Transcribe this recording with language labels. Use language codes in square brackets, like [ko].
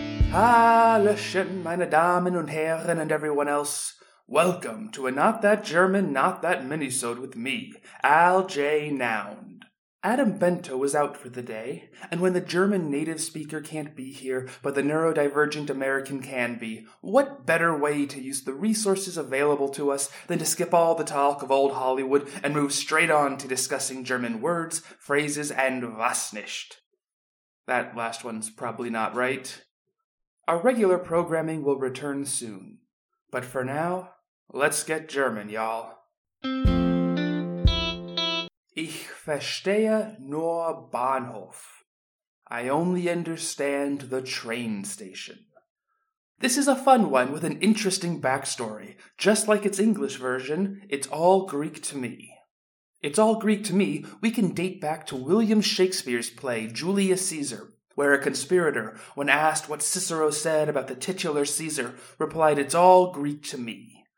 [de] Hallöchen, meine Damen und Herren, [en] and everyone else. Welcome to a Not That German, Not That Minisode with me, Al J. Nound. Adam Bento is out for the day, and when the German native speaker can't be here, but the neurodivergent American can be, what better way to use the resources available to us than to skip all the talk of old Hollywood and move straight on to discussing German words, phrases, and [de] was nicht? [en] That last one's probably not right. Our regular programming will return soon. But for now, let's get German, y'all. [de] Ich verstehe nur Bahnhof. [en] I only understand the train station. This is a fun one with an interesting backstory. Just like its English version, it's all Greek to me. It's all Greek to me. We can date back to William Shakespeare's play, Julius Caesar, where a conspirator, when asked what Cicero said about the titular Caesar, replied, "It's all Greek to me."